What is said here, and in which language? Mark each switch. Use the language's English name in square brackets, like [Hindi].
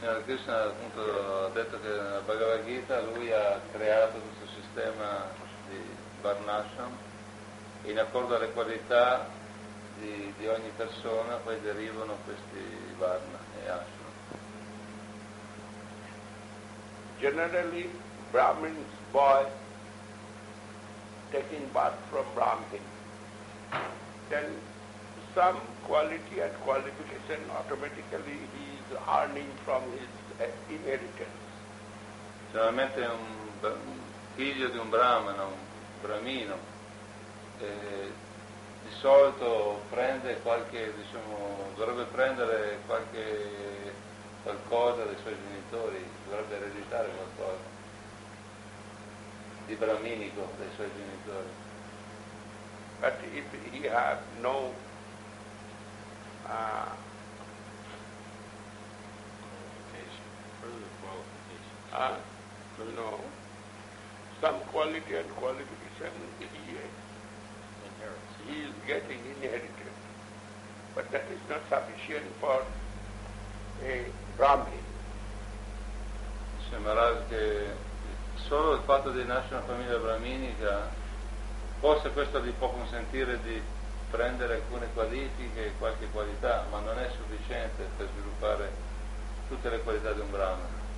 [Italian] Signor Krishna appunto ha detto che nella Bhagavad Gita lui ha creato questo sistema di Varnashram in accordo alle qualità di ogni persona, poi derivano questi Varna e Ashram. [English] Generally, Brahmin's boy taking birth from Brahmin, then some quality and qualification automatically he is earning from his inheritance. [Italian] Generalmente un figlio di un brahmana, un brahmino, di solito prende qualche, diciamo, dovrebbe prendere qualche qualcosa dai suoi genitori, dovrebbe ereditare qualcosa di braminico dei suoi genitori. [English] But if he have no qualification. Some quality and qualification he is getting inherited. But that is not sufficient for a Brahmin. [Italian] Sembrava che solo il fatto di nascere una famiglia brahminica, forse questo gli può consentire di prendere alcune qualifiche e qualche qualità, ma non è sufficiente per sviluppare tutte le qualità di un brahmana.